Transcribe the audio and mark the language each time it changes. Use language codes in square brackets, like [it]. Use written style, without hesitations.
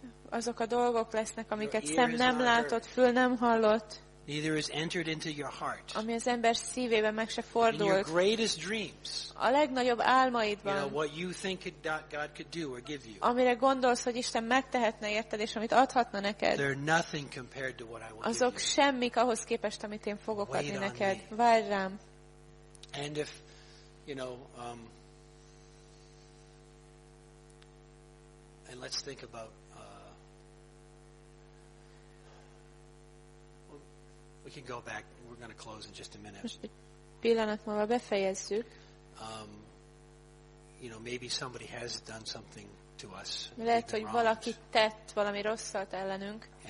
[hu] azok a dolgok lesznek, amiket szem nem látott, fül nem hallott. [en] Neither is entered into your heart. [hu] Ami az ember szívébe meg se fordult. [en] Your greatest dreams. [hu] A legnagyobb álmaidban. [en] You know, what you think God could do or give you. [hu] Amire gondolsz, hogy Isten megtehetne érted, és amit adhatna neked. [en] They're nothing compared to what I will give. [hu] Azok semmik ahhoz képest, amit én fogok adni neked. Várj rám. [en] And if you know and let's think about we can go back. We're going to close in just a minute. [hu] Most egy pillanat múlva befejezzük. [en] You know, maybe somebody has done something to us. [hu] Lehet, hogy valaki tett valami rosszat ellenünk.